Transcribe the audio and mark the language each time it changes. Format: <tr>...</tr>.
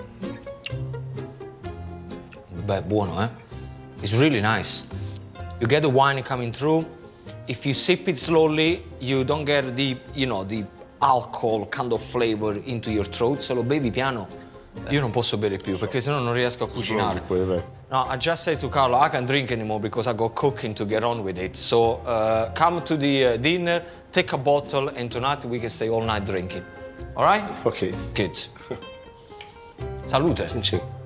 <it>Mm. Beh, buono, eh?</it> <en>It's really nice. You get the wine coming through. If you sip it slowly, you don't get the, you know, the alcohol kind of flavor into your throat.</en> <it>Solo bevi piano. Beh. Io non posso bere più, perché sennò non riesco a cucinare. Beh.</it> <en>No, I just said to Carlo, I can't drink anymore because I got cooking to get on with it. So come to the dinner, take a bottle, and tonight we can stay all night drinking. All right? Okay. Good. Salute.</en> <it>Sì.</it>